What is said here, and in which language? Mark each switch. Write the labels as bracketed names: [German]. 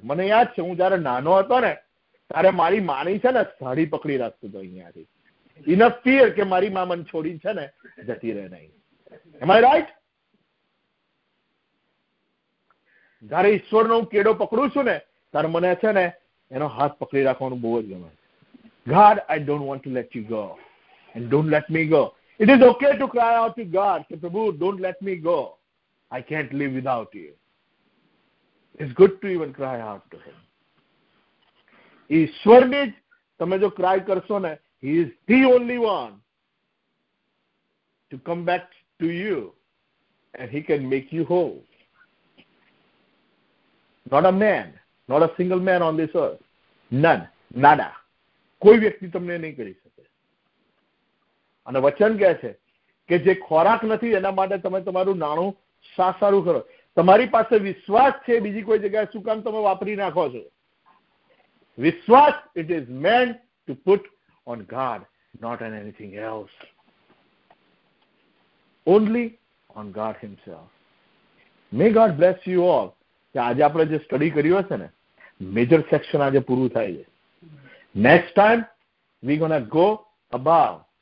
[Gujarati] મને યાદ છે હું જયારે નાનો હતો ને ત્યારે મારી માની છે ને સાડી પકડી રાખતો હતો અહીંયાથી, [English] in a fear [Gujarati] કે મારી મા મને છોડી છે ને જતી રહે નહીં. [English] Am I right? [Gujarati] જયારે ઈશ્વરનો હું કેડો પકડું છું ને ત્યારે મને છે ને એનો હાથ પકડી રાખવાનું બહુ જ ગમે. [English] God, I don't want to let you go. And don't let me go. It is okay to cry out to God, Prabhu, don't let me go. I can't live without you. It's good to even cry out to Him. [Gujarati] Ishwar ne tame jo cry karso ne, [English] He is the only one to come back to you and He can make you whole. Not a man, not a single man on this earth. [Gujarati] None, nada. કોઈ વ્યક્તિ તમને નહીં કરી શકે. અને વચન કહે છે કે જે ખોરાક નથી એના માટે તમે તમારું નાણું સાસારું કરો. તમારી પાસે વિશ્વાસ છે, બીજી કોઈ જગ્યાએ શું કામ તમે વાપરી નાખો છો? [English] વિશ્વાસ, it is man to put on God, not on anything else, only on God himself. May God bless you all. [Gujarati] કે આજે આપણે જે સ્ટડી કર્યો છે ને, મેજર સેક્શન આજે પૂરું થાય છે. [English] Next time, we're going to go above.